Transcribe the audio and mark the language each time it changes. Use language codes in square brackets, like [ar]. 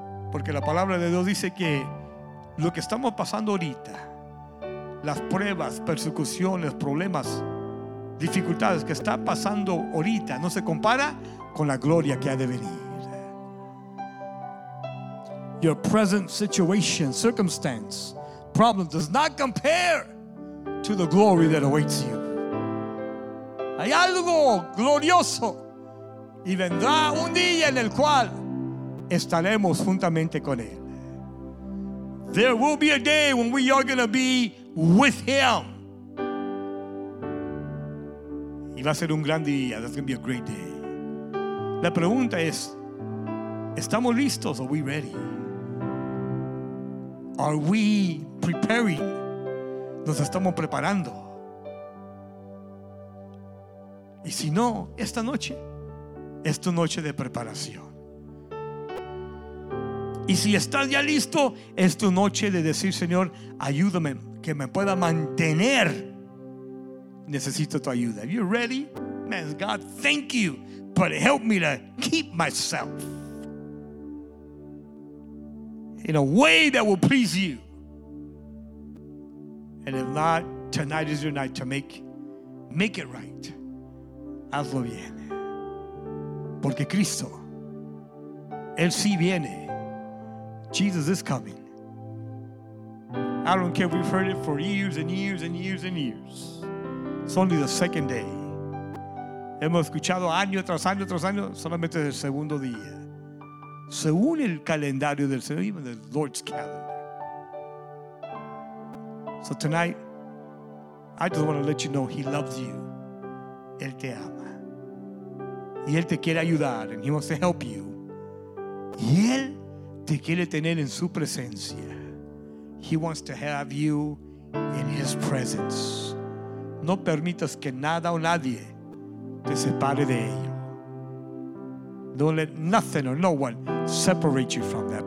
[es] Porque la palabra de Dios dice que lo que estamos pasando ahorita, las pruebas, persecuciones, problemas, dificultades que está pasando ahorita, no se compara con la gloria que ha de venir. [en] Your present situation, circumstance, problem does not compare to the glory that awaits you. [es] Hay algo glorioso y vendrá un día en el cual estaremos juntamente con Él. [en] There will be a day when we are going to be with Him. [es] Y va a ser un gran día. [en] That's going to be a great day. [es] La pregunta es, ¿estamos listos? [en] Are we ready? Are we preparing? [es] ¿Nos estamos preparando? Y si no, esta noche es tu noche de preparación. Y si estás ya listo, es tu noche de decir, Señor, ayúdame, que me pueda mantener. Necesito tu ayuda. [en] Are you ready? Man, God, thank you, but help me to keep myself in a way that will please you. And if not, tonight is your night to make it right. [es] Hazlo bien. Porque Cristo, Él sí viene. [en] Jesus is coming. I don't care if we've heard it for years and years and years and years. It's only the second day. [es] Hemos escuchado año tras año tras año, solamente el segundo día. Según el calendario del Señor, [en] even the Lord's calendar. So tonight, I just want to let you know He loves you. [es] Él te ama. Y Él te quiere ayudar, [en] and He wants to help you. [es] Y Él te quiere tener en su presencia. [en] He wants to have you in His presence. [es] No permitas que nada o nadie te separe de ello. [en] Don't let nothing or no one separate you from that.